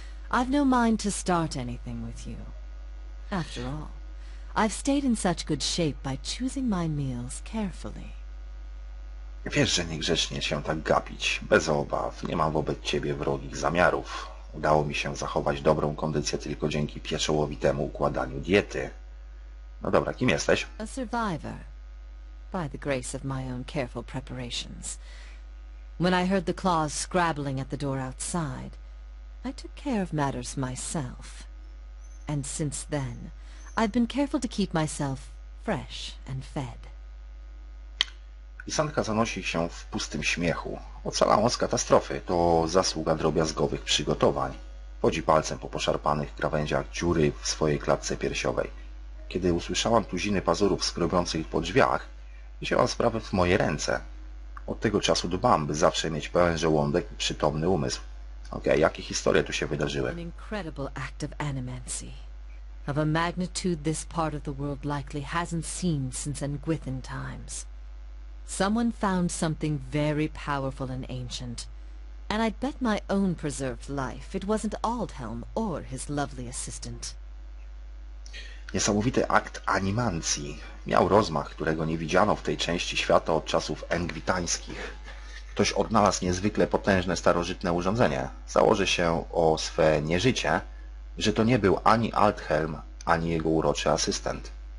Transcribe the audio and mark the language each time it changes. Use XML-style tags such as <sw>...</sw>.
<en>I've no mind to start anything with you. After all, I've stayed in such good shape by choosing my meals carefully.</en> <pl>Wiesz, że niegrzecznie się tak gapić. Bez obaw. Nie mam wobec ciebie wrogich zamiarów. Udało mi się zachować dobrą kondycję tylko dzięki pieczołowitemu układaniu diety. No dobra, kim jesteś?</pl> <en>A survivor. By the grace of my own careful preparations. When I heard the claws scrabbling at the door outside, I took care of matters myself. And since then, I've been careful to keep myself fresh and fed.</en> <pl>Isanka zanosi się w pustym śmiechu. Ocalała z katastrofy. To zasługa drobiazgowych przygotowań. Wodzi palcem po poszarpanych krawędziach dziury w swojej klatce piersiowej. Kiedy usłyszałam tuziny pazurów skrobiących po drzwiach, wzięłam sprawę w moje ręce. Od tego czasu dbam, by zawsze mieć pełen żołądek i przytomny umysł. Okej, jakie historie tu się wydarzyły?</pl> <en>An incredible act of animancy. Of a magnitude this part of the world likely hasn't seen since Anguithan times. Someone found something very powerful and ancient. And I'd bet my own preserved life it wasn't Aldhelm or his lovely assistant.</en> <pl>Niesamowity akt animacji. Miał rozmach, którego nie widziano w tej części świata od czasów engwitańskich. Ktoś odnalazł niezwykle potężne, starożytne urządzenie. Założy się o swe nieżycie, że to nie był ani Aldhelm, ani jego uroczy asystent.</pl>